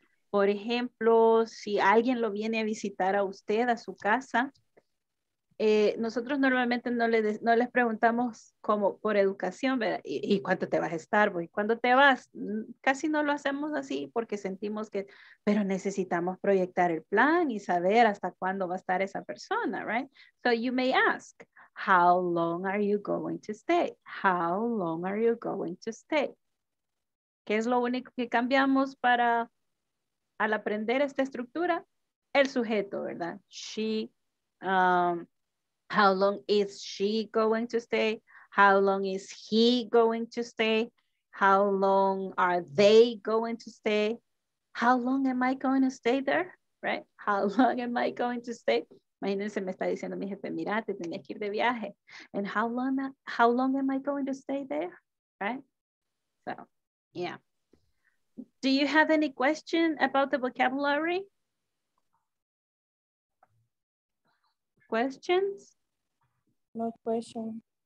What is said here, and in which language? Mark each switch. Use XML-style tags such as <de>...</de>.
<es>Por ejemplo, si alguien lo viene a visitar a usted, a su casa, nosotros normalmente no les preguntamos como por educación, ¿verdad? ¿Y cuánto te vas a estar? ¿Y cuándo te vas? Casi no lo hacemos así porque sentimos que, pero necesitamos proyectar el plan y saber hasta cuándo va a estar esa persona,</es> <en>right? So you may ask, how long are you going to stay? How long are you going to stay?</en> <es>¿Qué es lo único que cambiamos para, al aprender esta estructura? El sujeto, ¿verdad?</es> <en>She, how long is she going to stay? How long is he going to stay? How long are they going to stay? How long am I going to stay there? Right? How long am I going to stay?</en> <es>Imagínense, me está diciendo mi jefe, mira, te tenías que ir de viaje.</es> <en>And how long am I going to stay there? Right? So. Yeah. Do you have any question about the vocabulary? Questions? No question.</en>